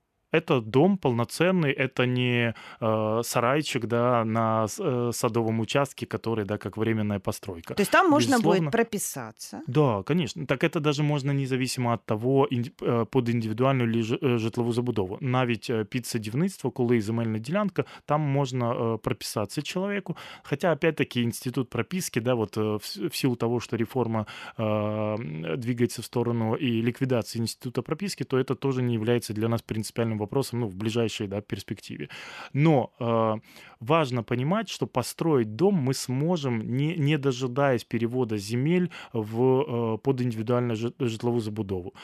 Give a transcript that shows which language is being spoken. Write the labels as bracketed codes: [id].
[ru] Это дом полноценный, это не сарайчик, да, на садовом участке, который, да, как временная постройка. То есть там можно будет прописаться? Да, конечно. Так это даже можно независимо от того, под индивидуальную или [uk] житлову забудову. Навіть під садівництво, коли земельна ділянка, [ru] там можно прописаться человеку. Хотя, опять-таки, институт прописки, да, вот в силу того, что реформа двигается в сторону и ликвидации института прописки, то это тоже не является для нас принципиальным вопросом, ну, в ближайшей, да, перспективе. Но важно понимать, что построить дом мы сможем, не дожидаясь перевода земель под индивидуальную житловую забудову.